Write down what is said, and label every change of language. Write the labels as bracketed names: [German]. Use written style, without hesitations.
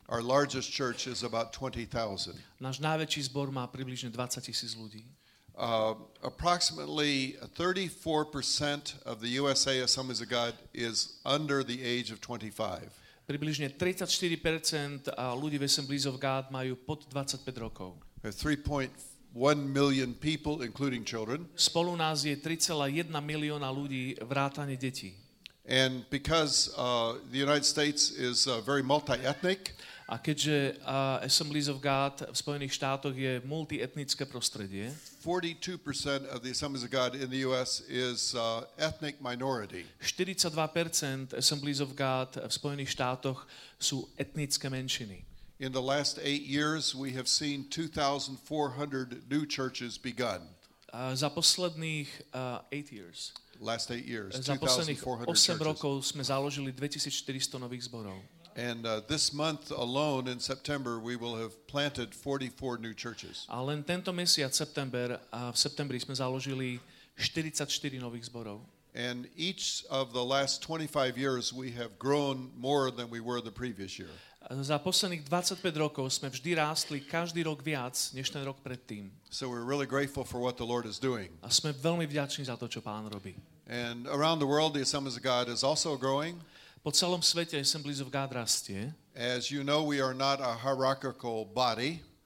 [English] Our largest church is about 20,000. [Slovak] Náš najväčší zbor má približne 20,000 ľudí. [English] Approximately 34% of the USA Assemblies of God is under the age of 25. [Slovak] Približne 34% ľudí v Assemblies of God majú pod 25 rokov. [English] 1 million people including children. [Slovak] Spolu nás je 3,1 milióna ľudí vrátane detí. [English] And because the United States is very multi-ethnic. [Slovak] A keďže Assemblies of God v Spojených štátoch je multietnické prostredie. [English] 42% of the Assemblies of God in the US is ethnic minority. [Slovak] 42% Assemblies of God v Spojených štátoch sú etnické menšiny. [English] In the last 8 years we have seen 2400 new churches begun. [Slovak] Za posledných 8 years. [English] Last 8 years, [Slovak] 2400. Za 8 rokov sme založili 2400 nových zborov. [English] And this month alone in September we will have planted 44 new churches. [Slovak] A len tento mesiac september, v septembri sme založili 44 nových zborov. [English] And each of the last 25 years we have grown more than we were the previous year. [Slovak] Za posledných 25 rokov sme vždy rástli každý rok viac než ten rok predtým. [English] So we're really grateful for what the Lord is doing. [Slovak] A sme veľmi vďační za to, čo Pán robí. [English] And around the world the Assemblies of God is also growing. [Slovak] Po celom svete Assemblies of God rastie. [English] As you know, we are not a hierarchical body.